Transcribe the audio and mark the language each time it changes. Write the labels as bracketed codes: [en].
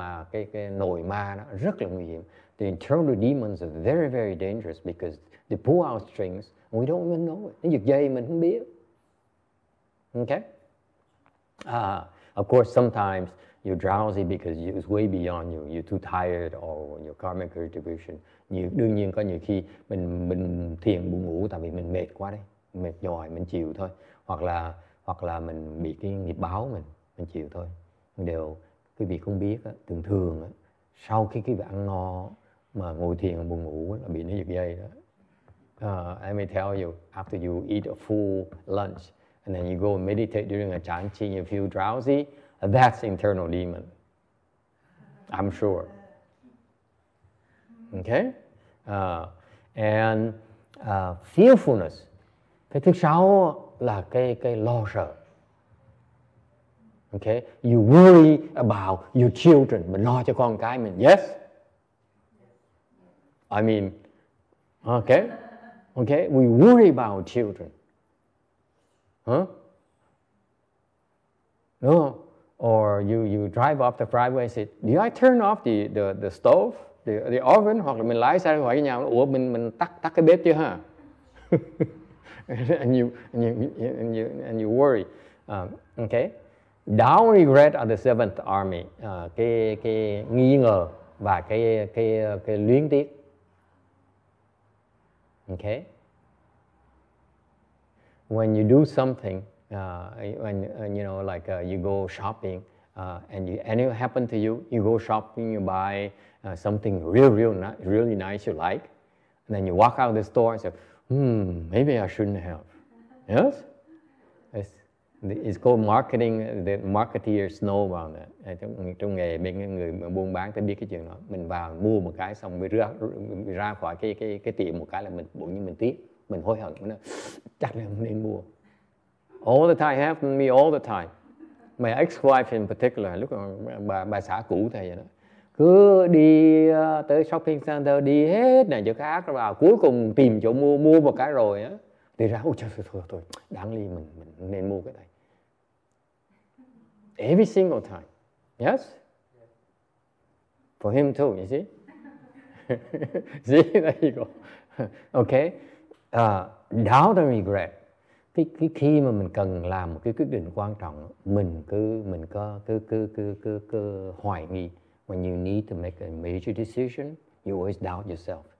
[vi] Cái nội ma đó rất là nguy hiểm. [en] The internal demons are very, very dangerous because they pull our strings and we don't even know it. [vi] Nó giật dây mình không biết. [en] Okay? Of course, sometimes you're drowsy because it's way beyond you. You're too tired or your karmic retribution. [vi] Đương nhiên có nhiều khi mình thiền buồn ngủ tại vì mình mệt quá đấy. Mệt nhòi mình chịu thôi, hoặc là mình bị cái nghiệp báo mình chịu thôi. Đều cái việc không biết đó, thường thường đó, sau khi cái việc ăn no mà ngồi thiền buồn ngủ là bị nó giật dây đó. [en] Let me tell you, after you eat a full lunch and then you go and meditate during a chan chi, you feel drowsy, that's internal demon, I'm sure. Okay, and fearfulness. [vi] Cái thứ sáu là cái lo sợ. [en] Okay, you worry about your children. [vi] Mình lo cho con cái mình. Yes. [en] I mean, okay. We worry about our children. Huh? No. Or you drive up the driveway and say, "Did I turn off the stove, the oven?" [vi] Hoặc là mình lái xe hỏi nhà, "Ủa mình tắt cái bếp chưa ha?" [en] And you worry, okay? Doubt, regret are the seventh army. [vi] Cái nghi ngờ và cái luyến tiếc, [en] okay? When you do something, you go shopping, and it happened to you. You go shopping, you buy something really nice you like, and then you walk out of the store and say, maybe I shouldn't have. Yes? It's called marketing. The marketeers know about that. [vi] Trong nghề bên người buôn bán ta biết cái chuyện đó. Mình vào mua một cái xong mới ra khỏi cái tiệm một cái là mình bỗng nhiên mình tiếc. Mình hối hận. Mình nói, chắc là không nên mua. [en] All the time happened to me all the time. My ex-wife in particular, [vi] lúc bà xã cũ thầy vậy đó. Cứ đi tới shopping center, đi hết này chỗ khác rồi vào, cuối cùng tìm chỗ mua một cái rồi á, thì ra ôi trời, thôi đáng lý mình nên mua cái này. [en] Every single time, yes, for him too, you see. See, there you go. Okay. Doubt and regret. [vi] Cái khi mà mình cần làm một cái quyết định quan trọng, mình cứ hoài nghi. [en] When you need to make a major decision, you always doubt yourself.